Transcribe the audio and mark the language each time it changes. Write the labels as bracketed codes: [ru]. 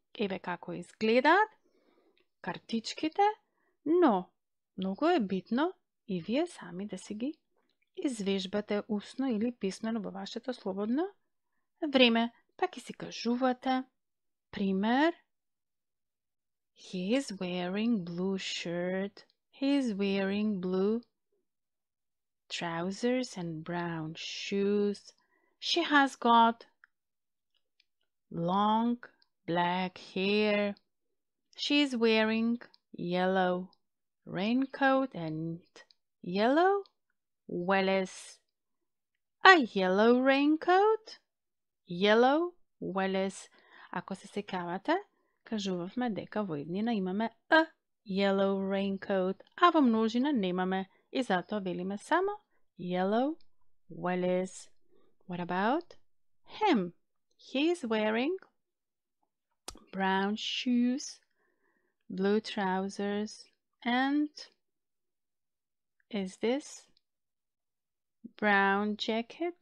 [mk] Еве како изгледаат картичките, но многу е битно и вие сами да си ги извежбате усно или писмено во вашето слободно време. Па ќе си кажувате пример. [en] He is wearing blue shirt. He is wearing blue trousers and brown shoes. She has got long black hair. She is wearing yellow raincoat and yellow wellies. A yellow raincoat, yellow wellies. [mk] Ако се сеќавате, кажувавме дека во иднина имаме [en] a yellow raincoat, [mk] а во множина немаме и затоа велиме само [en] yellow wellies. What about him? He is wearing brown shoes, blue trousers, and is this brown jacket?